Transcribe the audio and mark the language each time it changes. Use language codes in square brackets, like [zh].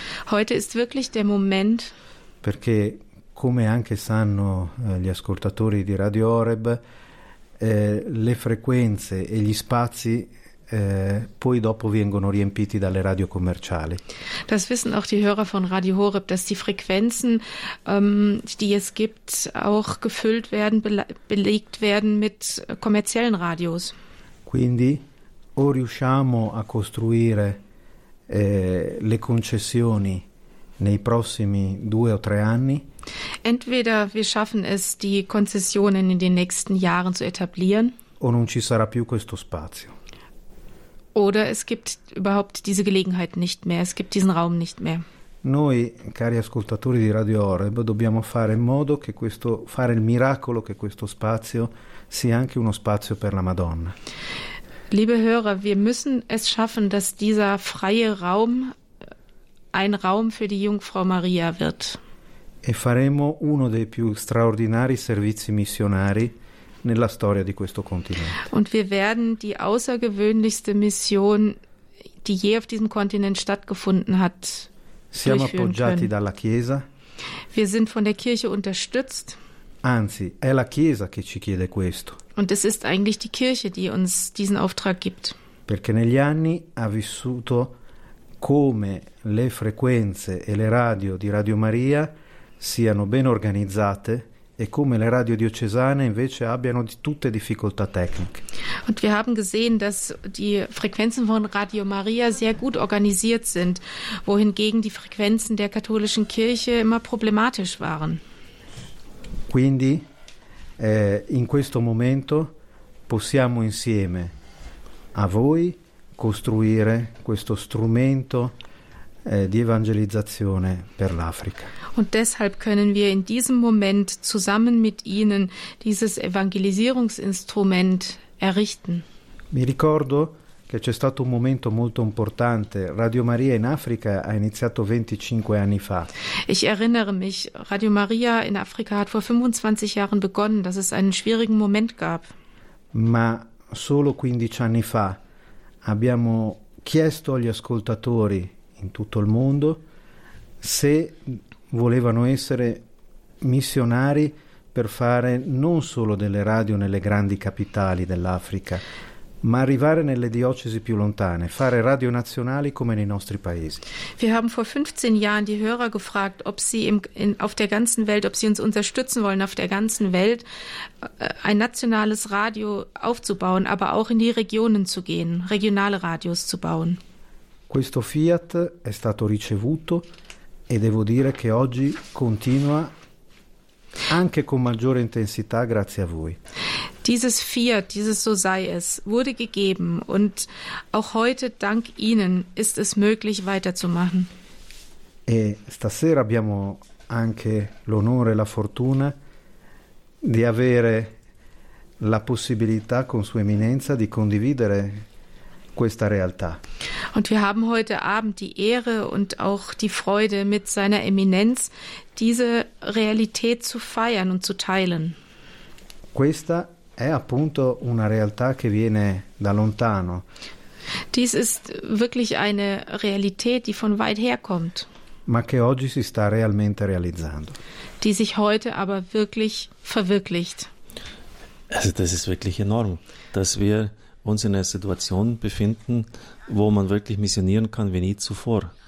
[de] Heute ist wirklich der Moment. [it] Perché, come anche sanno gli ascoltatori di Radio Horeb, le frequenze e gli spazi poi dopo vengono riempiti dalle radio commerciali. [de] Das wissen auch die Hörer von Radio Horeb, dass die Frequenzen, die es gibt, auch gefüllt werden, belegt werden mit kommerziellen Radios. [it] Quindi o riusciamo a costruire le concessioni nei prossimi 2 o 3 anni. [de] Entweder wir schaffen es, die Konzessionen in den nächsten Jahren zu etablieren. [it] O non ci sarà più questo spazio. [de] Oder es gibt überhaupt diese Gelegenheit nicht mehr, es gibt diesen Raum nicht mehr. [it] Noi, cari ascoltatori di Radio Horeb, dobbiamo fare in modo che questo, fare il miracolo che questo spazio sia anche uno spazio per la Madonna. [de] Liebe Hörer, wir müssen es schaffen, dass dieser freie Raum ein Raum für die Jungfrau Maria wird. [it] E faremo uno dei più straordinari servizi missionari nella storia di questo continente. [de] Und wir werden die außergewöhnlichste Mission, die je auf diesem Kontinent stattgefunden hat, [it] siamo appoggiati dalla Chiesa. [de] Wir sind von der Kirche unterstützt. [it] Anzi, è la Chiesa che ci chiede questo. [de] Und es ist eigentlich die Kirche, die uns diesen Auftrag gibt. [it] Perché negli anni ha vissuto come le frequenze e le radio di Radio Maria siano ben organizzate e come le radio diocesane invece abbiano di tutte difficoltà tecniche. [de] Und wir haben gesehen, dass die Frequenzen von Radio Maria sehr gut organisiert sind, wohingegen die Frequenzen der katholischen Kirche immer problematisch waren. [it] Quindi in questo momento possiamo insieme a voi costruire questo strumento di evangelizzazione per l'Africa. [de] Und deshalb können wir in diesem Moment zusammen mit Ihnen dieses Evangelisierungsinstrument errichten. [it] Mi ricordo che c'è stato un momento molto importante. Radio Maria in Africa ha iniziato 25 anni fa. [de] Ich erinnere mich, Radio Maria in Afrika hat vor 25 Jahren begonnen, dass es einen schwierigen Moment gab. [it] Ma solo 15 anni fa abbiamo chiesto agli ascoltatori in tutto il mondo se volevano essere missionari per fare non solo delle radio nelle grandi capitali dell'Africa, ma arrivare nelle diocesi più lontane, fare radio nazionali come nei nostri paesi. [de] Wir haben vor 15 Jahren die Hörer gefragt, ob sie auf der ganzen Welt, ob sie uns unterstützen wollen, auf der ganzen Welt ein nationales Radio aufzubauen, aber auch in die Regionen zu gehen, regionale Radios zu bauen. [it] Questo Fiat è stato ricevuto e devo dire che oggi continua anche con maggiore intensità grazie a voi. [de] Dieses Fiat, dieses so sei es, wurde gegeben und auch heute dank Ihnen ist es möglich weiterzumachen. [it] E stasera abbiamo anche l'onore e la fortuna di avere la possibilità con Sua Eminenza di condividere questa realtà. [de] Und wir haben heute Abend die Ehre und auch die Freude mit seiner Eminenz diese Realität zu feiern und zu teilen. [it] Questa è appunto una realtà che viene da lontano. [de] Dies ist wirklich eine Realität, die von weit her kommt. [it] Ma che oggi si sta realmente realizzando. [de] Die sich heute aber wirklich verwirklicht. Also das ist wirklich enorm, dass wir uns in einer Situation befinden, wo man wirklich missionieren kann wie nie zuvor.